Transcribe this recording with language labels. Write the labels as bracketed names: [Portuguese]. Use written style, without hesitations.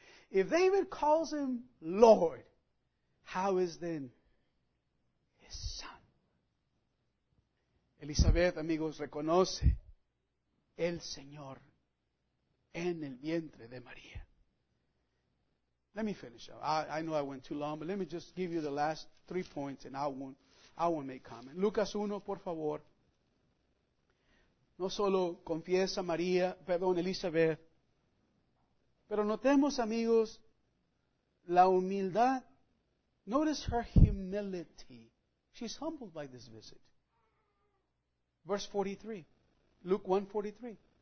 [English] If David calls him Lord, how is then his son? [Spanish] Elizabeth, amigos, reconoce el Señor en el vientre de María. [English] Let me finish up. I know I went too long, but let me just give you the last 3 points and I won't make comment. [Spanish] Lucas 1, por favor. No solo confiesa María, perdón, Elizabeth, pero notemos, amigos, la humildad. [English] Notice her humility. She's humbled by this visit. Verse 43. Luke 1:43.